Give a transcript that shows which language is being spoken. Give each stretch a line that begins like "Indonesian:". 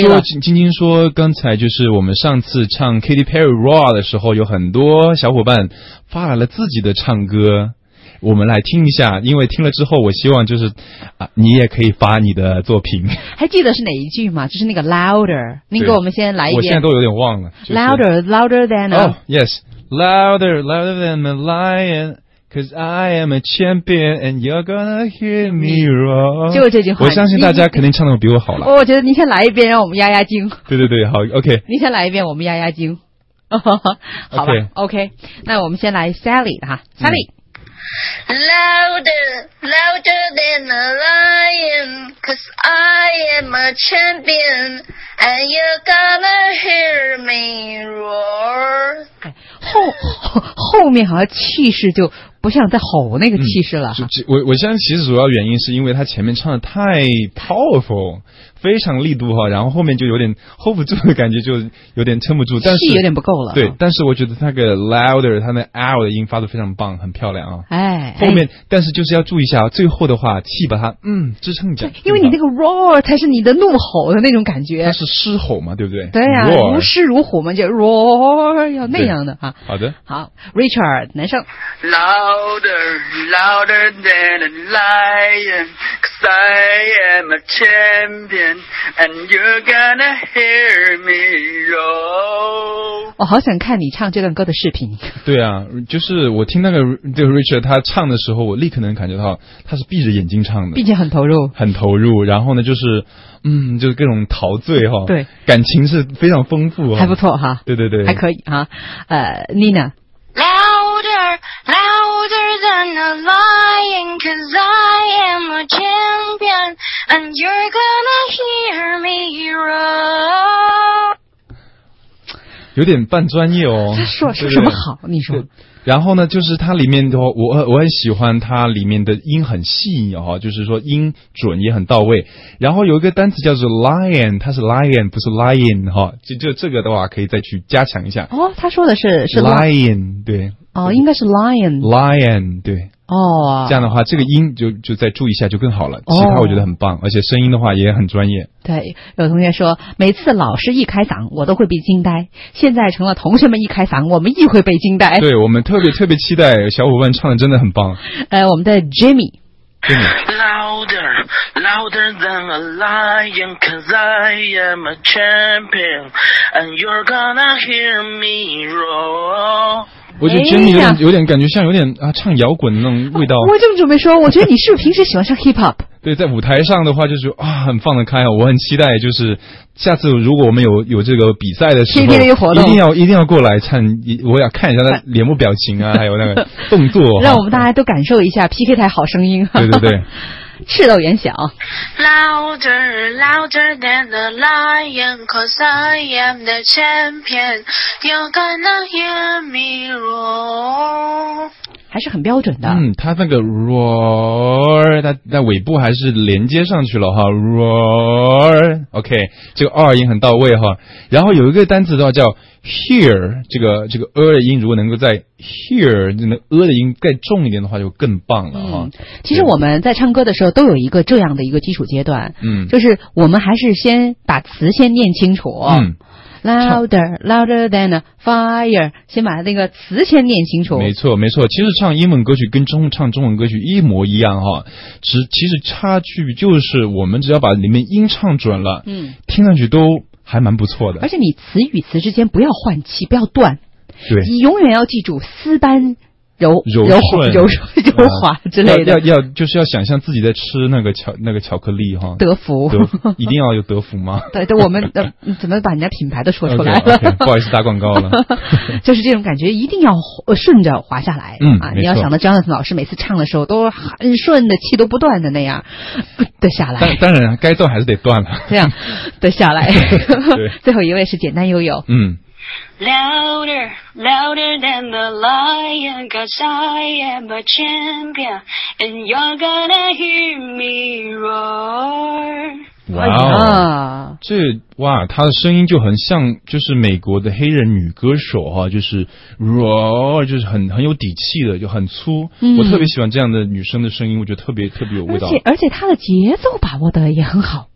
Chinese: 了。据说晶晶说，刚才就是我们上次唱 Katy Perry Raw 的时候，有很多小伙伴发来了自己的唱歌，我们来听一下。因为听了之后，我希望就是啊，你也可以发你的作品。还记得是哪一句吗？就是那个 Louder， 您给我们先来一遍。我现在都有点忘了。就是、
English: louder, louder than a yes, louder, louder than a lion。 Cause I am a champion and you're gonna hear me roar。
Chinese: 就这句话，我相信大家肯定唱得比我好了。我觉得您先来一遍让我们压压惊。对对对，好， OK，您先来一遍我们压压惊。好吧， okay. OK， 那我们先来 Sally 哈。 Sally
English: Louder, louder than a lion, cause I am a champion, and you're gonna hear me roar.
Chinese: 后面好像气势就不像在吼那个气势了。我相信其实主要原因是因为他前面唱的太 powerful， 非常力度哈，然后后面就有点 hold 不住的感觉，就有点撑不住，但是气有点不够了。对，但是我觉得那个 louder， 他那 L 的音发得非常棒，很漂亮啊。哎，后面但是就是要注意一下，最后的话气把它支撑一下，因为你那个 roar 才是你的怒吼的那种感觉，它是狮吼嘛，对不对？对啊，
English: roar、
Chinese: 如狮如虎嘛，就 roar 要那样的哈。好的，好 ，Richard 男生。
English: Louder, louder than a lion, cause I am a champion, and you're gonna hear me roar.
Chinese: 我好想看你唱这段歌的视频。对啊，就是我听那个这个 Richard 他唱的时候，我立刻能感觉到他是闭着眼睛唱的，并且很投入，很投入。然后呢，就是就是各种陶醉哈、哦，对，感情是非常丰富、哦，还不错哈。对对对，还可以哈。Nina。
English: Louder, louder than a lion, cause I am a champion, and you're gonna hear me roar.
Chinese: 有点半专业哦。他说对对说什么好？你说。然后呢，就是它里面的我很喜欢它里面的音很细腻哈、哦，就是说音准也很到位。然后有一个单词叫做 lion， 它是 lion 不是 lion 哈、哦，就这个的话可以再去加强一下。哦，他说的是 lion 对。哦，应该是 lion。 lion 对。哦。这样的话，这个音就再注意一下就更好了。其他我觉得很棒、哦，而且声音的话也很专业。对，有同学说，每次老师一开嗓，我都会被惊呆。现在成了同学们一开嗓，我们亦会被惊呆。对，我们特别特别期待小伙伴唱的真的很棒。我们的 Jimmy。
English: Louder, louder than a lion, cause I am a champion, and you're gonna hear me roar.
Chinese: 我觉得 Jimmy 有点感觉像有点啊唱摇滚的那种味道。我正准备说，我觉得你是不是平时喜欢唱 hip hop？对，在舞台上的话就是啊，很放得开啊，我很期待，就是下次如果我们有这个比赛的时候，一定要过来看，我要看一下他脸部表情啊，还有那个动作，让我们大家都感受一下 PK 台好声音。对对对，赤豆元晓。
English: Louder, louder than the lion, cause I am the champion. You're gonna hear me roar.
Chinese: 还是很标准的。嗯，他那个 roar， 他在尾部还是连接上去了哈 ，roar，OK，、okay, 这个 r 音很到位哈。然后有一个单词的话叫 hear， 这个 a 的音如果能够在 hear， 那 a 的音再重一点的话就更棒了哈、嗯。其实我们在唱歌的时候都有一个这样的一个基础阶段，嗯，就是我们还是先把词先念清楚。嗯。 Louder, louder than a fire，先把那个词先念清楚。没错没错，其实唱英文歌曲跟唱中文歌曲一模一样哈，其实差距就是我们只要把里面音唱准了，嗯，听上去都还蛮不错的。而且你词与词之间不要换气，不要断，对，你永远要记住丝般柔滑之类的。要就是要想象自己在吃那个巧克力哈。德芙。一定要有德芙吗？对对，我们怎么把人家品牌都说出来了。 Okay, 不好意思打广告了。就是这种感觉一定要顺着滑下来。嗯啊，你要想到张老师每次唱的时候都很顺的，气都不断的那样的下来。当然该断还是得断了。这样的下来。对。最后一位是简单悠悠。嗯。
English: Louder, louder than the lion, cause I am a champion, and you're gonna hear me roar.
Chinese: Wow, 这哇，他的声音就很像就是美国的黑人女歌手哈、啊，就是 roar， 就是很有底气的，就很粗、嗯。我特别喜欢这样的女生的声音，我觉得特别有味道。而且他的节奏把握的也很好。